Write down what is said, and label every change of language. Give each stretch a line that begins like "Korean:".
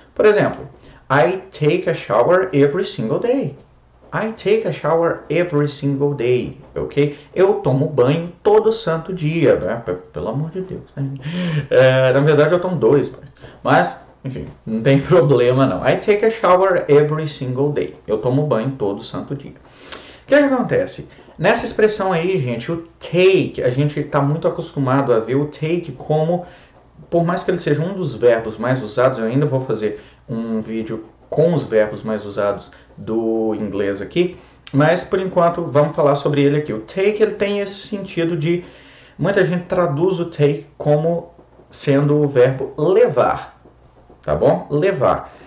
Portuguese: Por exemplo,
English: I take a shower every single day. I take a shower every single day, ok?
Portuguese: Eu tomo banho todo santo dia, né? Pelo amor de Deus. Na verdade, eu tomo dois, mas, enfim, não tem problema não.
English: I take a shower every single day.
Portuguese: Eu tomo banho todo santo dia. O que que acontece? Nessa expressão aí, gente, o take, a gente está muito acostumado a ver o take como, por mais que ele seja um dos verbos mais usados, eu ainda vou fazer um vídeo com os verbos mais usados do inglês aqui, mas por enquanto vamos falar sobre ele aqui. O take, ele tem esse sentido de, muita gente traduz o take como sendo o verbo levar, tá bom? Levar.